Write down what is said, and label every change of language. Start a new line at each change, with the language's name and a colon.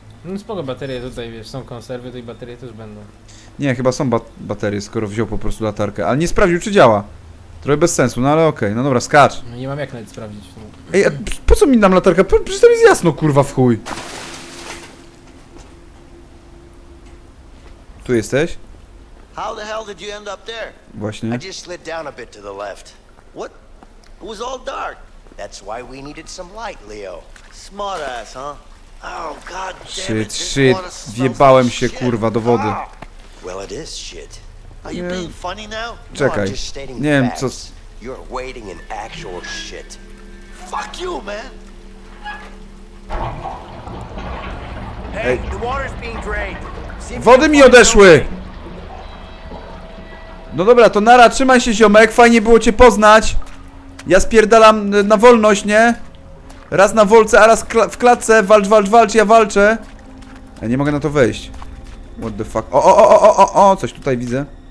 Polish: No spoko, baterie tutaj, wiesz, są konserwy, to i baterie też będą. Nie, chyba są baterie, skoro wziął po prostu latarkę, ale nie sprawdził, czy działa. Trochę bez sensu, no ale okej, okay. No dobra, skacz. No, nie mam jak nawet sprawdzić w tym. Ej, a po co mi dam latarkę? Przecież tam jest jasno, kurwa, w chuj. Tu jesteś?
English: How the hell did you end up there?
Polish: Właśnie.
English: I just slid down a bit to the left. What? It was all dark. That's why we needed some light, Leo. Smart ass, huh? Oh god damn it. Shit.
Polish: Wjebałem się, kurwa, do wody.
English: Well, it is shit. Are you being funny now?
Polish: Czekaj. Nie wiem, co.
English: You're waiting in actual shit. Fuck you, man. Hey, the water's being drained.
Polish: Wody mi odeszły. No dobra, to nara, trzymaj się, ziomek, fajnie było cię poznać. Ja spierdalam na wolność, nie? Raz na wolce, a raz w klatce. Walcz, walcz, walcz, ja walczę. Ja nie mogę na to wejść.
English: What the fuck?
Polish: O, coś tutaj widzę.